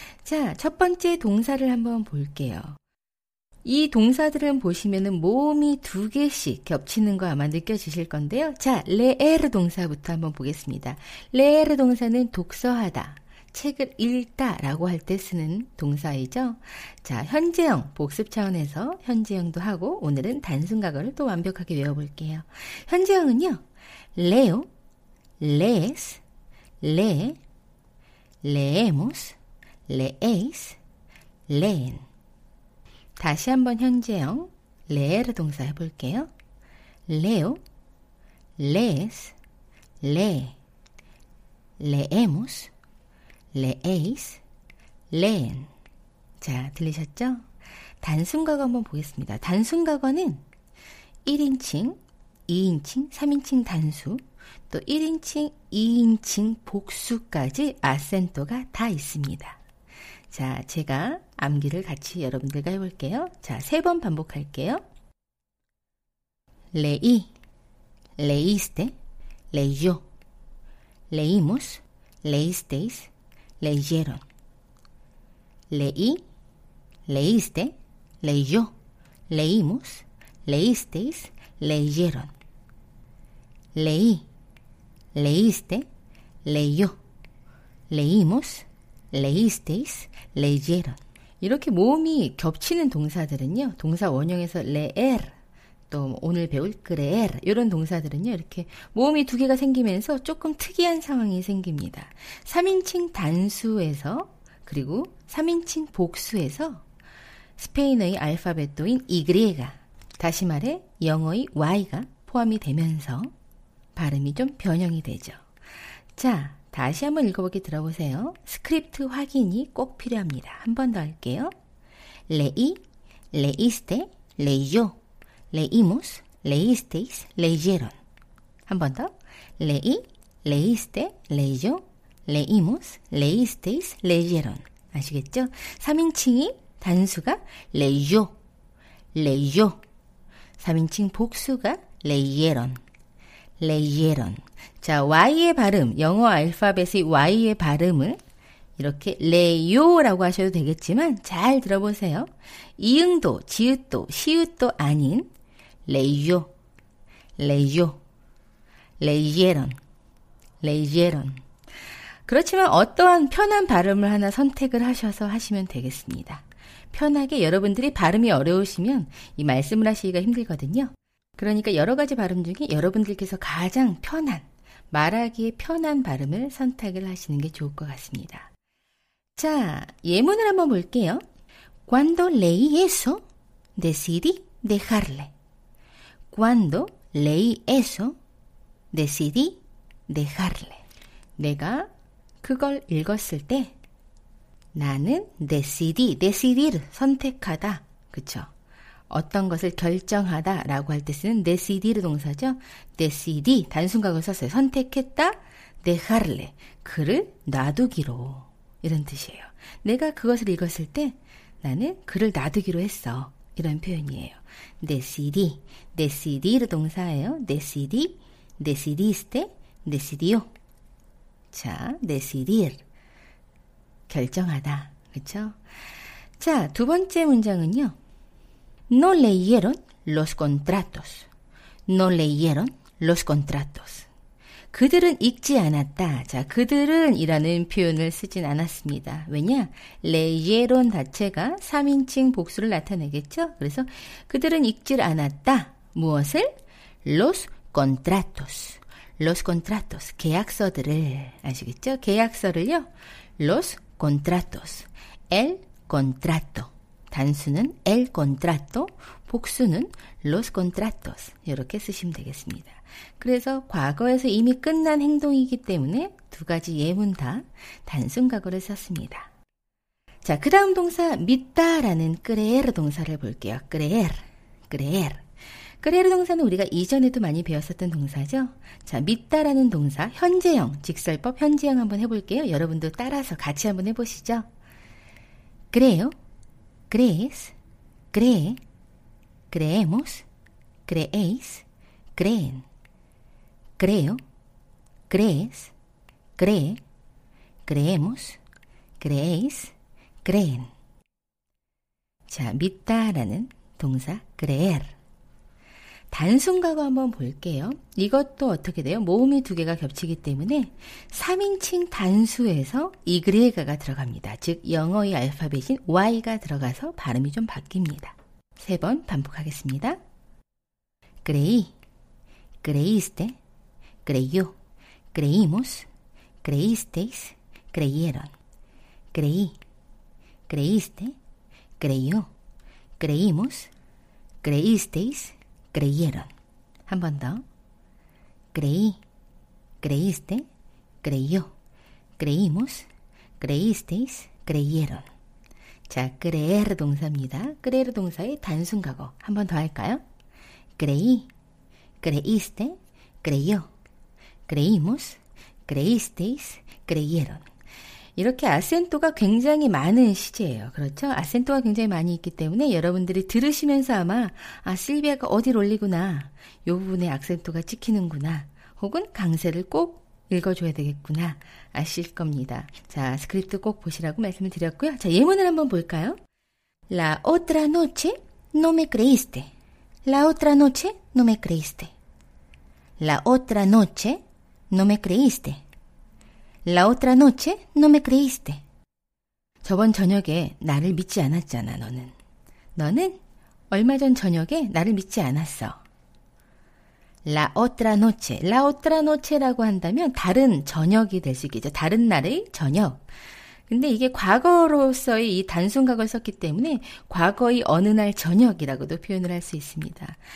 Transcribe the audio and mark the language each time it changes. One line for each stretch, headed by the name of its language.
Korean: 자, 첫 번째 동사를 한번 볼게요. 이 동사들은 보시면은 모음이 두 개씩 겹치는 거 아마 느껴지실 건데요. 자, leer 동사부터 한번 보겠습니다. leer 동사는 독서하다, 책을 읽다 라고 할 때 쓰는 동사이죠. 자, 현재형 복습 차원에서 현재형도 하고 오늘은 단순과거를 또 완벽하게 외워볼게요. 현재형은요,
Spanish: leo, lees, lee, leemos, lees, leen.
Korean: 다시 한번 현재형 leer 동사 해볼게요.
Spanish: leo, lees, lee, leemos, lees, leen.
Korean: 자, 들리셨죠? 단순과거 한번 보겠습니다. 단순과거는 1인칭, 2인칭, 3인칭 단수, 또 1인칭, 2인칭 복수까지 아센토가 다 있습니다. 자, 제가 암기를 같이 여러분들과 해볼게요. 자, 세 번 반복할게요.
Spanish: leí, leíste, leyó, leímos, leísteis, leyeron. leí, leíste, leyó, leímos, leísteis, leyeron. leí, leíste, leyó, leímos, leísteis, leyeron.
Korean: 이렇게 모음이 겹치는 동사들은요, 동사 원형에서 leer, 또 오늘 배울 creer, 이런 동사들은요, 이렇게 모음이 두 개가 생기면서 조금 특이한 상황이 생깁니다. 3인칭 단수에서, 그리고 3인칭 복수에서 스페인의 알파벳도인 Y가, 다시 말해 영어의 Y가 포함이 되면서 발음이 좀 변형이 되죠. 자, 다시 한번 읽어보게 들어보세요. 스크립트 확인이 꼭 필요합니다. 한 번 더 할게요.
Spanish: leí, leíste, leyó, leímos, leísteis, leyeron.
Korean: 한 번 더.
Spanish: leí, leíste, leyó, leímos, leísteis, leyeron.
Korean: 아시겠죠? 3인칭이 단수가 leyó, leyó. 3인칭 복수가 leyeron, leyeron. 자, Y의 발음, 영어 알파벳의 Y의 발음을 이렇게 레요라고 하셔도 되겠지만 잘 들어보세요. 이응도, 지읒도, 시읒도 아닌 레요, 레요, 레이에런, 레이에런. 그렇지만 어떠한 편한 발음을 하나 선택을 하셔서 하시면 되겠습니다. 편하게 여러분들이 발음이 어려우시면 이 말씀을 하시기가 힘들거든요. 그러니까 여러 가지 발음 중에 여러분들께서 가장 편한, 말하기에 편한 발음을 선택을 하시는 게 좋을 것 같습니다. 자, 예문을 한번 볼게요.
Spanish: Cuando leí eso, decidí dejarle. Cuando leí eso, decidí dejarle.
Korean: 내가 그걸 읽었을 때 나는 decidí, decidir, 선택하다. 그쵸? 어떤 것을 결정하다 라고 할 때 쓰는 decidir 동사죠. decidí, 단순과거 썼어요. 선택했다, dejarle, 그를 놔두기로, 이런 뜻이에요. 내가 그것을 읽었을 때 나는 그를 놔두기로 했어, 이런 표현이에요. decidí, decidir 동사예요.
Spanish: decidí, decidiste, decidió.
Korean: 자, decidir, 결정하다, 그렇죠? 자, 두 번째 문장은요.
Spanish: No leyeron los contratos. No leyeron los contratos.
Korean: 그들은 읽지 않았다. 자, 그들은 이라는 표현을 쓰진 않았습니다. 왜냐? leyeron 자체가 3인칭 복수를 나타내겠죠? 그래서 그들은 읽질 않았다. 무엇을?
Spanish: Los contratos. Los contratos.
Korean: 계약서들을. 아시겠죠? 계약서를요.
Spanish: Los contratos. El contrato.
Korean: 단수는 el contrato, 복수는 los contratos. 이렇게 쓰시면 되겠습니다. 그래서 과거에서 이미 끝난 행동이기 때문에 두 가지 예문 다 단순 과거를 썼습니다. 자, 그 다음 동사 믿다 라는 creer 동사를 볼게요.
Spanish: creer. creer.
Korean: creer 동사는 우리가 이전에도 많이 배웠었던 동사죠. 자, 믿다 라는 동사 현재형, 직설법 현재형 한번 해볼게요. 여러분도 따라서 같이 한번 해보시죠. 그래요.
Spanish: crees, cree, creemos, creéis, creen. creo, crees, cree, creemos, creéis, creen.
Korean: 자, 믿다 라는 동사 creer. 단순과거 한번 볼게요. 이것도 어떻게 돼요? 모음이 두 개가 겹치기 때문에 3인칭 단수에서 y가 들어갑니다. 즉 영어의 알파벳인 y가 들어가서 발음이 좀 바뀝니다. 세 번 반복하겠습니다.
Spanish: creí, creíste, creyó, creímos, creísteis, creyeron. creí, creíste, creyó, creímos, creísteis, creyeron.
Korean: 한 번 더.
Spanish: creí, creíste, creyó, creímos, creísteis, creyeron.
Korean: 자, creer 동사입니다. creer 동사의 단순 과거. 한 번 더 할까요?
Spanish: creí, creíste, creyó, creímos, creísteis, creyeron.
Korean: 이렇게 아센토가 굉장히 많은 시제예요. 그렇죠? 아센토가 굉장히 많이 있기 때문에 여러분들이 들으시면서 아마 아, 실비아가 어디를 올리구나. 요 부분에 악센토가 찍히는구나. 혹은 강세를 꼭 읽어줘야 되겠구나. 아실 겁니다. 자, 스크립트 꼭 보시라고 말씀을 드렸고요. 자, 예문을 한번 볼까요?
Spanish: La otra noche no me creíste. La otra noche no me creíste. La otra noche no me creíste. La otra noche no me creíste.
Korean: 저번 저녁에 나를 믿지 않았잖아, 너는. 너는 얼마 전 저녁에 나를 믿지 않았어.
Spanish: La otra noche. La otra noche
Korean: 라고 한다면 다른 저녁이 될 수 있겠죠. 다른 날의 저녁. 근데 이게 과거로서의 이 단순 과거를 썼기 때문에 과거의 어느 날 저녁이라고도 표현을 할 수 있습니다.